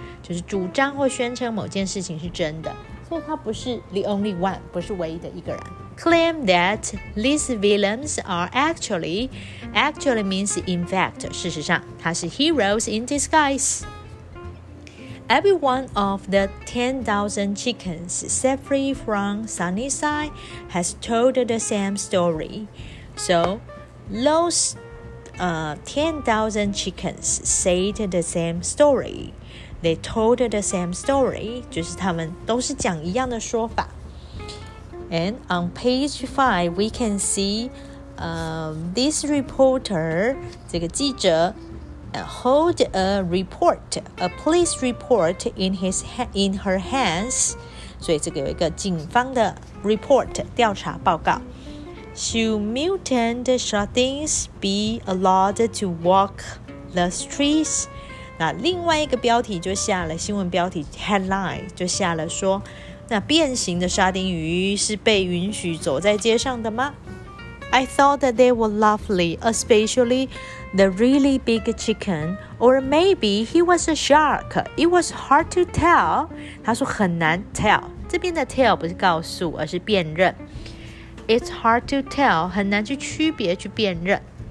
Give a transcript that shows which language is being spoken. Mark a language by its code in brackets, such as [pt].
[zh] 就是主张或宣称某件事情是真的。所以他不是 [en] the only one, [zh] 不是唯一的一个人。 [en] Claim that these villains are actually means in fact, [zh] 事实上他是 [en] heroes in disguise. Every one of the 10,000 chickens set free from Sunnyside has told the same story. So, those 10,000 chickens said the same story. They told the same story, [zh] 就是他们都是讲一样的说法. [en] And on page 5, we can see this reporter, [zh] 这个记者, [en] hold a police report in her hands. [zh] 所以这个有一个警方的 report 调查报告。 [en] Should mutant shortings be allowed to walk the streets? [zh] 那另外一个标题就下了新闻标题 headline 就下了说，那变形的沙丁鱼是被允许走在街上的吗？ [en] I thought that they were lovely, especially the really big chicken, or maybe he was a shark. It was hard to tell. [zh] 他说很难 tell， 这边的 tell 不是告诉，而是辨认。 [en] It's hard to tell， [zh] 很难去区别去辨认。